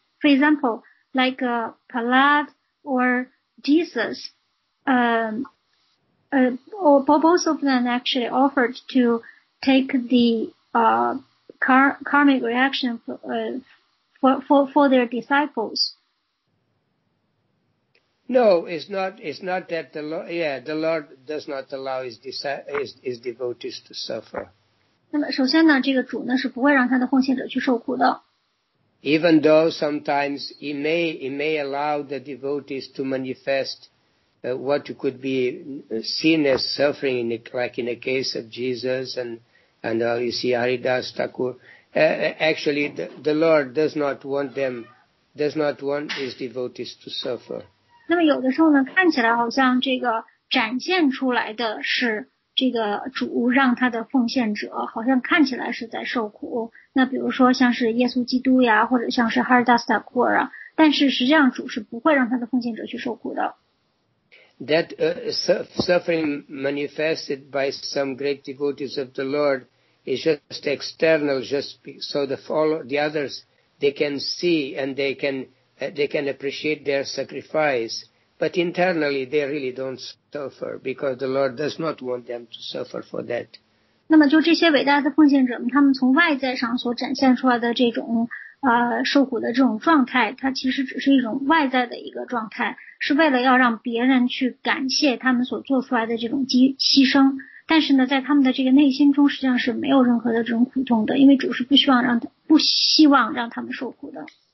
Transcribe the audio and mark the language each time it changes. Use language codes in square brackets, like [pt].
[en] For example,like Prahlad or Jesus, both of them actually offered to take the karmic reaction for their disciples. No, it's not that the Lord, the Lord does not allow his devotees to suffer. [zh] 那么首先呢，这个主呢是不会让他的奉献者去受苦的。 [en] Even though sometimes he may allow the devotees to manifest what could be seen as suffering, like in the case of Jesus and you see Haridas Thakur. Actually, the Lord does not want his devotees to suffer. [zh] 那么有的时候呢，看起来好像这个展现出来的是这个主让他的奉献者好像看起来是在受苦。那比如说像是耶稣基督呀，或者像是哈尔达斯塔库尔啊，但是实际上主是不会让他的奉献者去受苦的。 [en] That suffering manifested by some great devotees of the Lord is just external, just so the others they can see and they can they can appreciate their sacrifice, but internally they really don't suffer because the Lord does not want them to suffer for that. [zh] 那么就这些伟大的奉献者们，他们从外在上所展现出来的这种受苦的这种状态，它其实只是一种外在的一个状态，是为了要让别人去感谢他们所做出来的这种牺牲。但是呢，在他们的这个内心中，实际上是没有任何的这种苦痛的，因为主是不希望让他们受苦的。